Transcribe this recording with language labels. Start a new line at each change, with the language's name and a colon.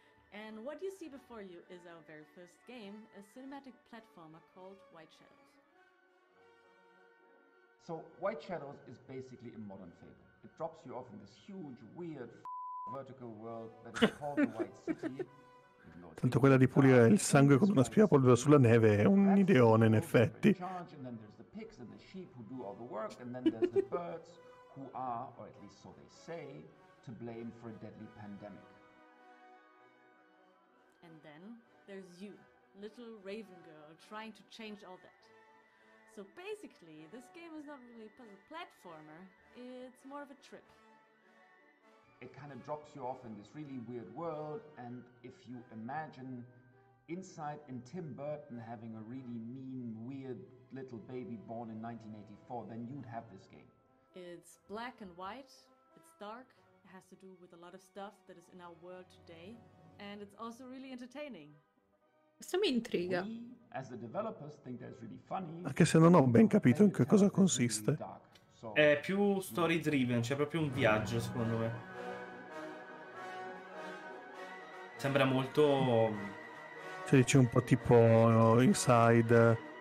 English: And what you see before you is our very first game, a cinematic platformer called White Shadows. So White Shadows is basically a modern fable. It drops you off in this huge, weird, vertical world that is called the White City.
Italian: Tanto quella di pulire il sangue con una aspirapolvere sulla neve è un ideone, in effetti.
English: Who are, or at least so they say, to blame for a deadly pandemic. And then there's you, little raven girl, trying to change all that. So basically, this game is not really a puzzle platformer, it's more of a trip. It kind of drops you off in this really weird world, and if you imagine inside in Tim Burton having a really mean, weird little baby born in 1984, then you'd have this game. It's black and white, it's dark, it has to do with a lot of stuff that is in our world today, and it's also really entertaining.
Italian: Questo mi intriga.
English: As the developers think that's really funny.
Italian: Anche se non ho ben capito in che cosa consiste. È più story driven, c'è proprio un viaggio, secondo me. Sembra molto... Cioè, c'è un po' tipo Inside,